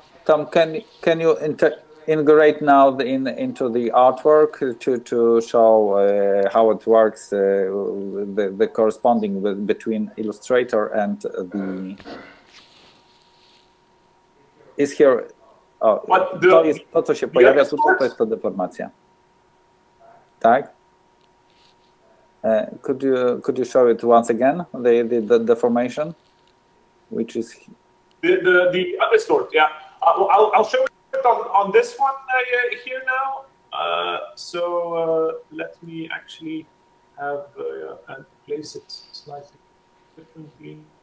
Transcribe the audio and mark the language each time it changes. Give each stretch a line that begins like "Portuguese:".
English: Tom, can you integrate now into the artwork to show how it works, the corresponding between Illustrator and the... Is here...
Polish: Oh, to jest to, co się pojawia, to jest to deformacja. Tak?
English: Could you show it once again, the deformation, which is... The other sort, yeah. I'll show it on this one here now. So let me actually have and place it slightly differently.